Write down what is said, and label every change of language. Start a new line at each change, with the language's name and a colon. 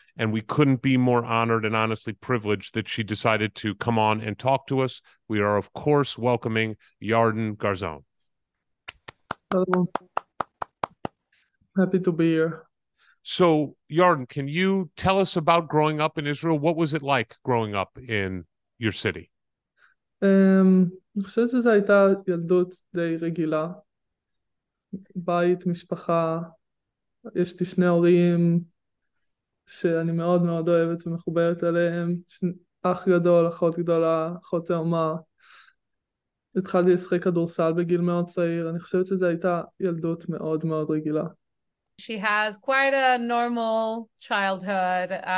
English: And we couldn't be more honored and honestly privileged that she decided to come on and talk to us. We are, of course, welcoming Yarden Garzon. Hello. Happy to be here. So, Yarden, can you tell us about growing up in Israel? What was it like growing up in your city?
Hebrew: אני חושב שזו הייתה ילדות די רגילה. בית, משפחה, יש לי שני הורים שאני מאוד מאוד אוהבת ומחוברת אליהם. אח גדול, אחות גדולה, אחות תאומה. התחלתי לשחק כדורסל בגיל מאוד צעיר. אני חושבת שזו הייתה ילדות מאוד מאוד רגילה.
English: She has quite a normal childhood.